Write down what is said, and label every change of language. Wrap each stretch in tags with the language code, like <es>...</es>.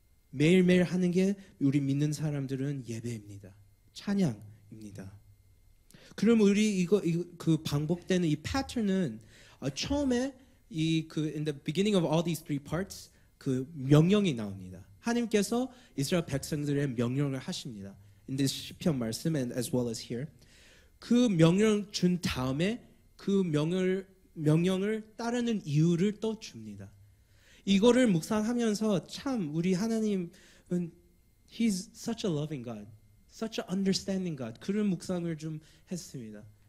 <ko>매일매일 하는 게 우리 믿는 사람들은 예배입니다. 찬양입니다. 그럼 우리 이거 그 반복되는 이 패턴은 처음에 이 그</ko> <en>in the beginning of all these three parts</en> <ko>그 명령이 나옵니다. 하나님께서 이스라엘 백성들의 명령을 하십니다.</ko> <en>In this</en> <ko>시편 말씀</ko> <en>and as well as here.</en> <ko>그 명령 준 다음에 그 명령을 따르는 이유를 또 줍니다. 이거를 묵상하면서 참 우리 하나님은</ko> <en>He's such a loving God, such an understanding God.</en> <ko>그런 묵상을 좀 했습니다.</ko>